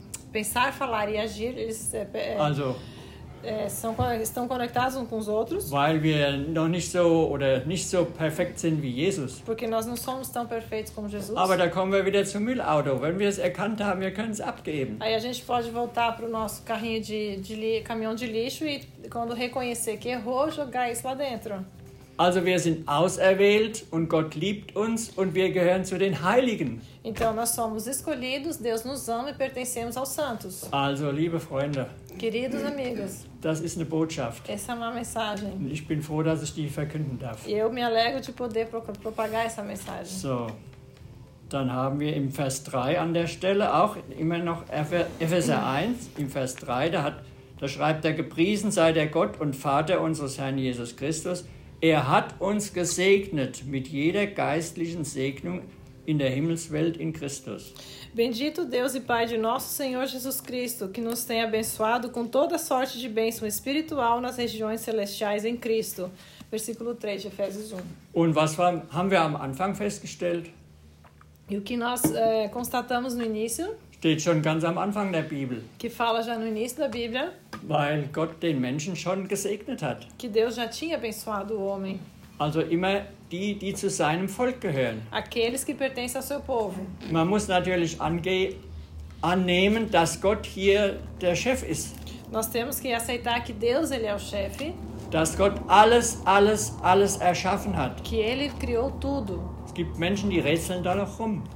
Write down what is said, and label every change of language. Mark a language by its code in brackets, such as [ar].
[pt] Pensar, falar e agir, eles [de] also, [pt] estão conectados uns com os outros. [de] Weil wir noch nicht so oder nicht so perfekt sind wie Jesus. [pt] Porque nós não somos tão perfeitos como Jesus. [de] Aber da kommen wir wieder zum Müllauto. Wenn wir es erkannt haben, wir können es abgeben. [pt] Aí a gente pode voltar pro nosso carrinho caminhão de lixo e quando reconhecer que errou, jogar isso lá dentro. [de] Also wir sind auserwählt und Gott liebt uns und wir gehören zu den Heiligen. [pt] Então nós somos escolhidos, Deus nos ama e pertencemos aos santos. [de] Also liebe Freunde. [pt] Queridos amigos. [de] Das ist eine Botschaft. [pt] Essa é uma mensagem. [de] Ich bin froh, dass ich die verkünden darf. [pt] E eu me alegro de poder propagar essa mensagem. [de] So. Dann haben wir im Vers 3 an der Stelle auch immer noch Epheser 1 im Vers 3, da schreibt er: Gepriesen sei der Gott und Vater unseres Herrn Jesus Christus. Er hat uns gesegnet mit jeder geistlichen Segnung in der Himmelswelt in Christus. [pt] Bendito Deus e Pai de nosso Senhor Jesus Cristo, que nos tem abençoado com toda sorte de bênção espiritual nas regiões celestiais em Cristo. Versículo 3 de Efésios 1. [de] Und was haben wir am Anfang festgestellt? [pt] E o que nós constatamos no início? [de] Steht schon ganz am Anfang der Bibel. [pt] Que fala já no início da Bíblia. [de] Weil Gott den Menschen schon gesegnet hat. [pt] Que Deus já tinha abençoado o homem. [de] Also immer die zu seinem Volk gehören. [pt] Aqueles que pertencem ao seu povo. [de] Man muss natürlich annehmen, dass Gott hier der Chef ist. [pt] Nós temos que aceitar que Deus ele é o chefe. [de] Dass Gott alles erschaffen hat. [pt] Que ele criou tudo. [de] Es gibt Menschen, die rätseln da noch rum.